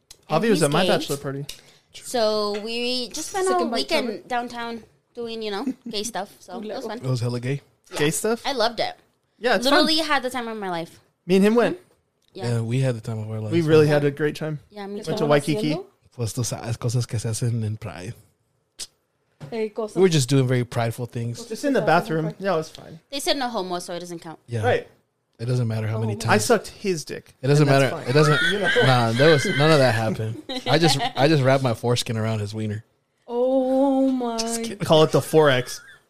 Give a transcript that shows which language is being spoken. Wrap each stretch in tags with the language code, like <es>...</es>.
<en>Javi was at my bachelor party. So we just spent all weekend downtown doing, you know, gay stuff. So it was fun. It was hella gay. Yeah. Gay stuff? I loved it. Yeah, it's literally fun. Had the time of my life. Me and him went. Yeah, we had the time of our life. We really had a great time. Yeah, me too. Went to Waikiki.</en> <es>Pues tú sabes cosas que se hacen en Pride.</es> <en>We were just doing very prideful things. Just in the bathroom. Yeah, it was fine. They said no homo, so it doesn't count. Yeah. Right. It doesn't matter how many times. I sucked his dick. It doesn't matter. It doesn't. Nah, there was none of that happened. I just wrapped my foreskin around his wiener. Oh my. Call it the 4X.</en>